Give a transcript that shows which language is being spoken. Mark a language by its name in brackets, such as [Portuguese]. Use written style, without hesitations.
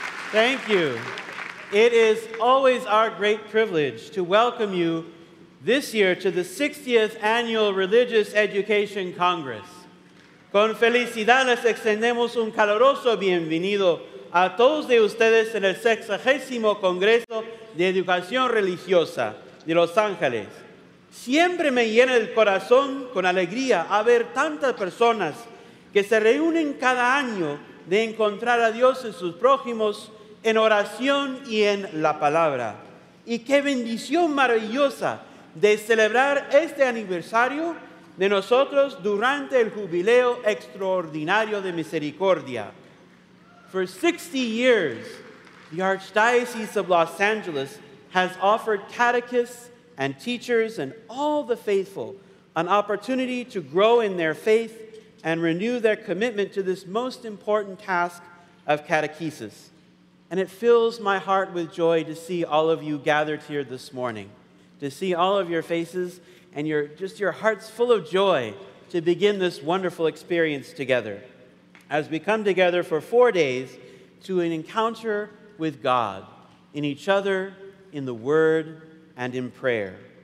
[English] Thank you. It is always our great privilege to welcome you this year to the 60th Annual Religious Education Congress. [Spanish] Con felicidad les extendemos un caloroso bienvenido a todos de ustedes en el 60º Congreso de Educación Religiosa de Los Ángeles. Siempre me llena el corazón con alegría a ver tantas personas que se reúnen cada año de encontrar a Dios en sus prójimos en oración y en la palabra. Y qué bendición maravillosa de celebrar este aniversario de nosotros durante el jubileo extraordinario de misericordia. [English] For 60 years, The Archdiocese of Los Angeles has offered catechists and teachers and all the faithful an opportunity to grow in their faith and renew their commitment to this most important task of catechesis. And it fills my heart with joy to see all of you gathered here this morning, to see all of your faces and your hearts full of joy to begin this wonderful experience together as we come together for 4 days to an encounter with God, in each other, in the Word, and in prayer.